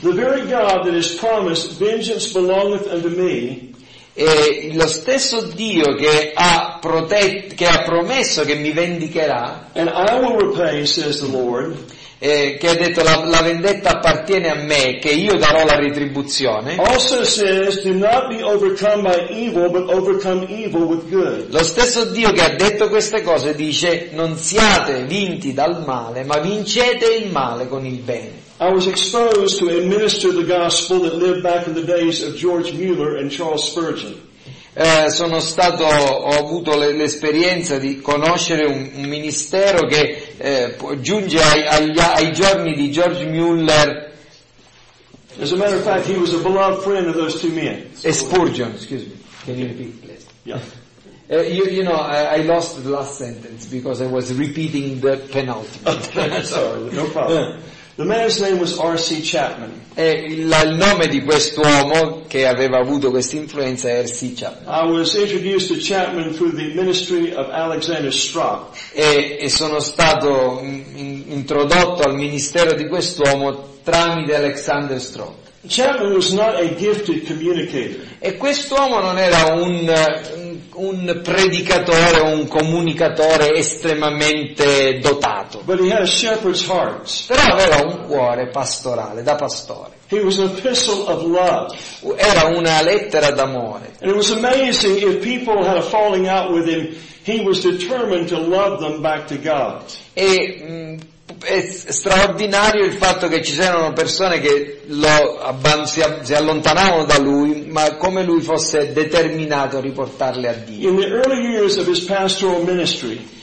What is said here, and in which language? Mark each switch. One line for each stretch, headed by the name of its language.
English: The very God that has promised vengeance belongeth unto me.
Italian: E lo stesso Dio che ha promesso che mi vendicherà,
English: and I will repay, says the Lord,
Italian: che ha detto la vendetta appartiene a me, che io darò la retribuzione,
English: also says, do not be overcome by evil, but overcome evil with good.
Italian: Lo stesso Dio che ha detto queste cose dice non siate vinti dal male, ma vincete il male con il bene.
English: I was exposed to a minister of the gospel that lived back in the days of George Mueller and Charles Spurgeon.
Italian: Ho avuto l'esperienza di conoscere un ministero che giunge ai giorni di George Mueller.
English: As a matter of fact, he was a beloved friend of those two men. E Spurgeon, excuse me. Can you repeat, please? Yeah. I lost the last sentence because I was repeating the penultimate. Sorry, no problem. The man's name was R.C. Chapman.
Italian: E il nome di quest'uomo che aveva avuto questa influenza è R.C. Chapman.
English: I was introduced to Chapman through the ministry of Alexander Strock.
Italian: E sono stato introdotto al ministero di quest'uomo tramite Alexander Strock.
English: Chapman was not a gifted communicator.
Italian: E quest'uomo non era un predicatore o un comunicatore estremamente dotato.
English: But he had a shepherd's heart.
Italian: Però aveva un cuore pastorale, da pastore.
English: He was an epistle of love.
Italian: Era una lettera d'amore.
English: And it was amazing if people had a falling out with him, he was determined to love them back to God.
Italian: E è straordinario il fatto che ci siano persone che si allontanavano da lui, ma come lui fosse determinato a riportarle a Dio.
English: In the early years of his pastoral ministry,